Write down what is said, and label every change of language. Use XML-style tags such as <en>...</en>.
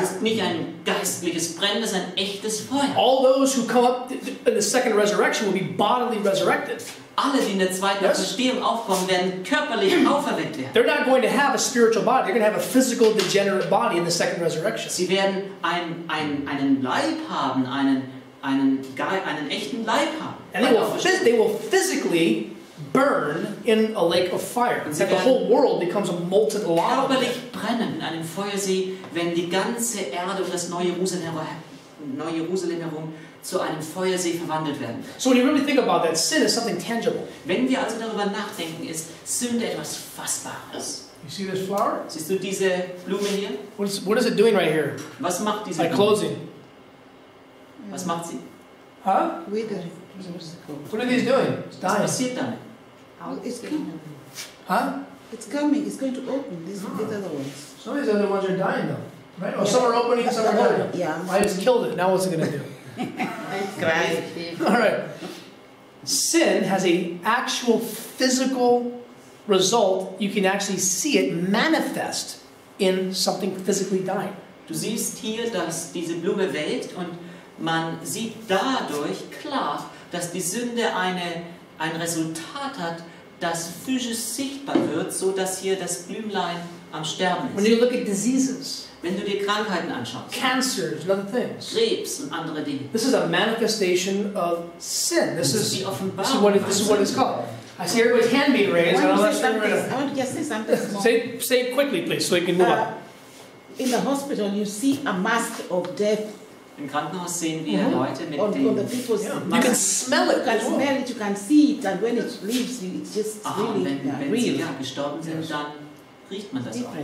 <de>Es ist nicht ein geistliches Brennen, es ist ein echtes Feuer.</de> <en>All those who come up in the second resurrection will be bodily resurrected.</en> <de>Alle, die in der zweiten Auferstehung aufkommen, werden körperlich auferweckt werden.</de> <en>They're not going to have a spiritual body. They're going to have a physical degenerate body in the second resurrection.</en> <de>Sie werden einen Leib haben, einen echten Leib haben.</de> <en>And they will physically burn in a lake of fire. That the whole world becomes a molten lava.</en> <de>Körperlich brennen in einem Feuersee, wenn die ganze Erde und das Neue Jerusalem herum zu einem Feuersee verwandelt werden.</de> <en>So when you really think about that, sin is something tangible.</en> <de>Wenn wir also darüber nachdenken, ist Sünde etwas Fassbares.</de> <en>You see this flower?</en> <de>Siehst du diese Blume hier?</de> <en>What is it doing right here?</en> <de>Was macht diese Blume?</de> <en>By closing.</en> <de>Was macht sie?</de> <en>Huh? Withering. What are these doing? It's dying.</en> <de>Was passiert damit?</de> <en>It's coming. Huh? It's coming. It's going to open. These other ones. Some of these other ones are dying though. Right? Well, yeah. Some are opening, some are dying. Yeah. I just killed it. Now what's it going to do? All right. Sin has an actual physical result. You can actually see it manifest in something physically dying.</en> <de>Du siehst hier, dass diese Blume welkt, und man sieht dadurch klar, dass die Sünde ein Resultat hat, das physisch sichtbar wird, so dass hier das Blümlein am Sterben ist.</de> <en>When you look at diseases.</en> <de>Wenn du dir Krankheiten anschaust,</de> <en>cancers and other things.</en> <de>Krebs und andere Dinge.</de> <en>This is a manifestation of sin. This is the offenbarung. This is what it's called. I see everybody's hand being raised. I want to just say something. Say it quickly, please, so we can move on. In the hospital, you see a mask of death.</en> <de>Im Krankenhaus sehen wir Leute mit dem.</de> <en>You can smell it. You can smell it. You can see it. And when it leaves you, it's just really real.</en> <de>Wenn sie gestorben sind, dann riecht man das auch.</de>